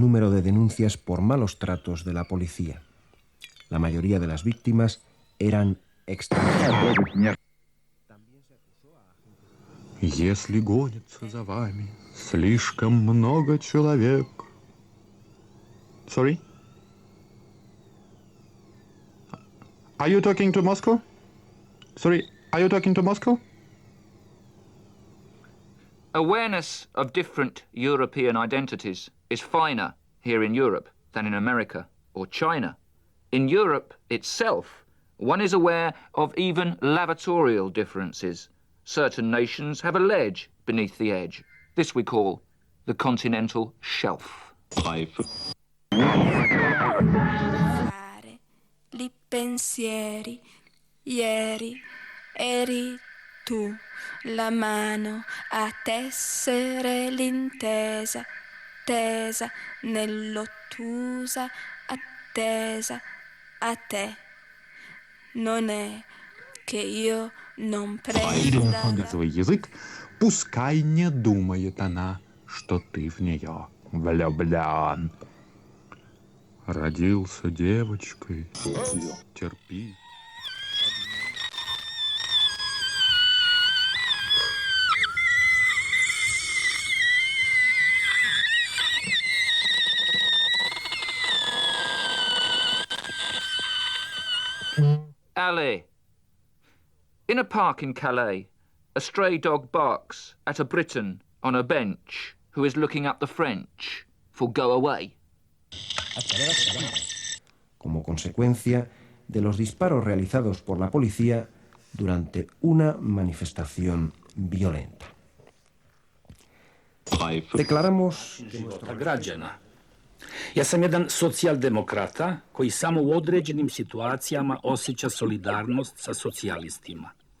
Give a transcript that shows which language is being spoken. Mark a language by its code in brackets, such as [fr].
[es] de denuncias por malos tratos de la policía. La mayoría de las víctimas eran extranjeras. [ru] Если гонится за вами слишком много человек. [en] Sorry? Are you talking to Moscow? Sorry, are you talking to Moscow? Awareness of different European identities is finer here in Europe than in America or China. In Europe itself, one is aware of even lavatorial differences. Certain nations have a ledge beneath the edge. This we call the continental shelf. Five. [it] Li pensieri, ieri, eri tu, la mano a tessere l'intesa, tesa nell'ottusa attesa a te. Non è che io non prenda... [ru] Свой язык, пускай не думает она, что ты в нее влюблен. Родился девочкой. Терпи. [fr] Allez. [en] In a park in Calais, a stray dog barks at a Briton on a bench who is looking up the French for go away. [es] Como consecuencia de los disparos realizados por la policía durante una manifestación violenta. Declaramos [bs] Ja sam jedan socijaldemokrata koji samo u određenim situacijama osjeća solidarnost sa socijalistima.